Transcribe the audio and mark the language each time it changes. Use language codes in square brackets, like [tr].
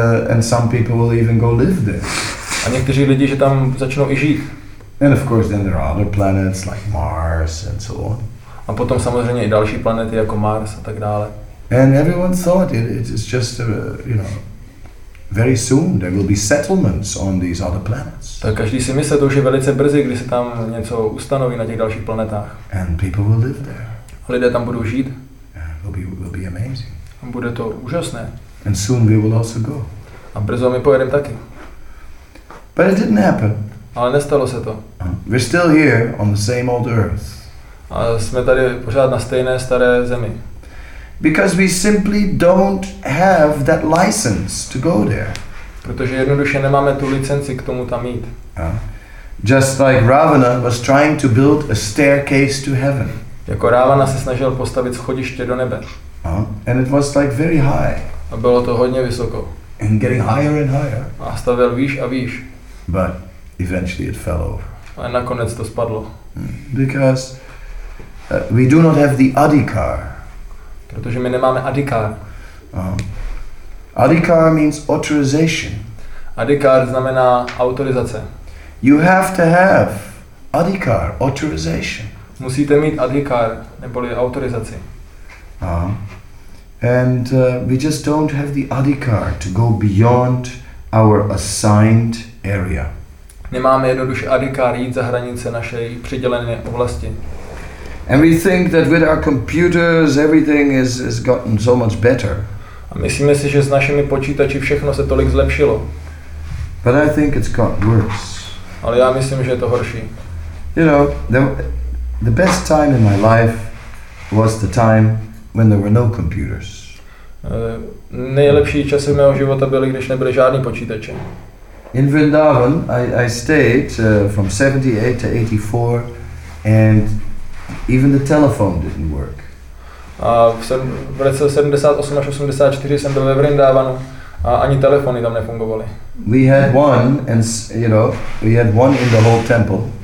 [en] And some people will even go live there. [cs] A někteří lidi, že tam začnou i žít. [en] And of course then there are other planets like Mars and so on. [cs] A potom samozřejmě i další planety jako Mars a tak dále. [en] And everyone thought it's just a, you know, very soon there will be settlements on these other planets. [cs] Tak každý si myslí, to už je velice brzy, když se tam něco ustanoví na těch dalších planetách. [en] And people will live there. [cs] Lidé tam budou žít. [en] Yeah, will be amazing. [cs] A bude to úžasné. [en] And soon we will also go. [cs] A brzo my pojedeme taky. [en] But it didn't happen. [cs] Ale nestalo se to. [en] We're still here on the same old earth. [cs] A jsme tady pořád na stejné staré zemi. [en] Because we simply don't have that license to go there. [cs] Protože jednoduše nemáme tu licenci k tomu tam jít. [en] Just like Ravana was trying to build a staircase to heaven. [cs] Jako Ravana se snažil postavit schodiště do nebe. [en] And it was like very high. [cs] A bylo to hodně vysoko. [en] And getting higher and higher. [cs] A stavěl výš a výš. [en] But eventually it fell over. [cs] A nakonec to spadlo. [en] Because we do not have the adhikar. [cs] Protože my nemáme adhikar. [en] Adhikar means authorization. [cs] Adhikar znamená autorizace. [en] You have to have adhikar, authorization. [cs] Musíte mít adhikar, neboli autorizaci. [en] And we just don't have the adhikar to go beyond our assigned area. [cs] Nemáme jednoduše adhikar jít za hranice naší přidělené oblasti. [en] And we think that with our computers everything is gotten so much better. [cs] A myslíme si, že s našimi počítači všechno se tolik zlepšilo. [en] But I think it's got worse. [cs] Ale já myslím, že je to horší. [en] You know, the best time in my life was the time when there were no computers. [cs] Nejlepší časy mého života byly, když nebyly žádný počítače. [en] In Vrindavan I stayed from 78 to 84 and even the telephone didn't work. [cs] A v roce 78 až 84 jsem byl ve Vrindavanu a ani telefony tam nefungovaly. [en] We had one and you know, we had one in the whole temple.